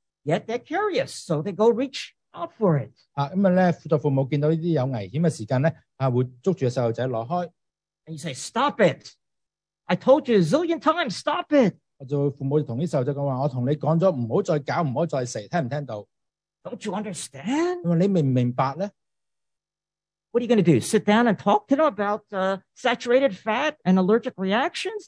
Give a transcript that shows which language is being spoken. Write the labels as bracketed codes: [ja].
[en] Yet they're curious, so they go reach out for it. [yue] 啊，咁啊咧，做父母见到呢啲有危险嘅时间咧，啊会捉住个细路仔攞开。 [en] And you say, stop it! I told you a zillion times, stop it! [yue] 我就父母同啲细路仔讲话，我同你讲咗唔好再搞，唔好再食，听唔听到 [en] ？Don't you understand? [yue] 你明唔明白咧？ [en] What are you going to do? Sit down and talk to them about saturated fat and allergic reactions?